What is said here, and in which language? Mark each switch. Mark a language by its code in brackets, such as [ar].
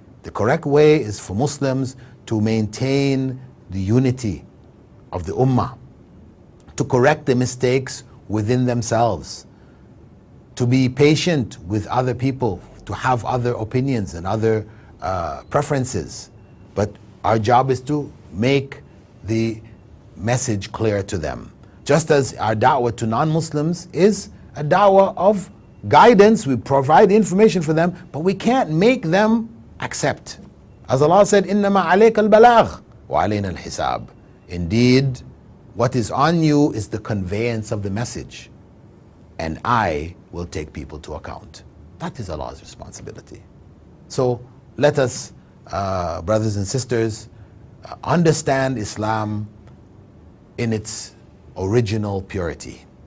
[en] The correct way is for Muslims to maintain the unity of the Ummah, to correct the mistakes within themselves, to be patient with other people, to have other opinions and other preferences. But our job is to make the message clear to them. Just as our da'wah to non-Muslims is a da'wah of guidance, we provide information for them, but we can't make them accept. As Allah said, [ar] إِنَّمَا عَلَيْكَ الْبَلَاغُ وَعَلَيْنَا الْحِسَابُ. [en] Indeed, what is on you is the conveyance of the message, and I will take people to account. That is Allah's responsibility. So let us, brothers and sisters, understand Islam in its original purity.